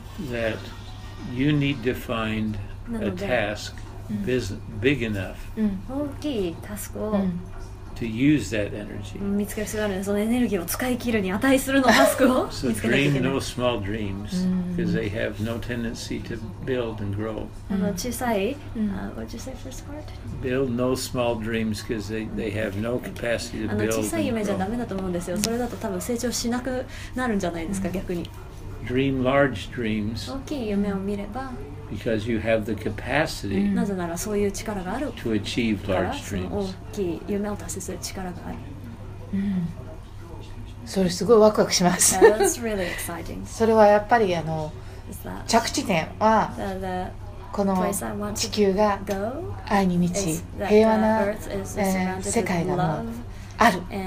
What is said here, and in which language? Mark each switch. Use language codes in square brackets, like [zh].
[en] That you need to find a task big enough. [ja] 大きいタスクを。 [en] To use that energy. [ja] 見つける必要があるんです。そのエネルギーを使い切るに値するのタスクを。 [en] So dream no small dreams, because they have no tendency to build and grow. [ja] 小さい。 [en] What did you say first part? Build no small dreams, because they have no capacity to build and grow. [ja] 小さい夢じゃダメだと思うんですよ。それだと多分成長しなくなるんじゃないですか、逆に。 [en] Dream large dreams. [ja] 大きい夢を見れば。 [en] Because you have the capacity to achieve large dreams. [ja] なぜならそういう力がある。大きい夢を達成する力がある。それすごいワクワクします。 [en] That's really exciting. [ja] それはやっぱり着地点はこの地球が愛に満ち、平和な世界がもうある。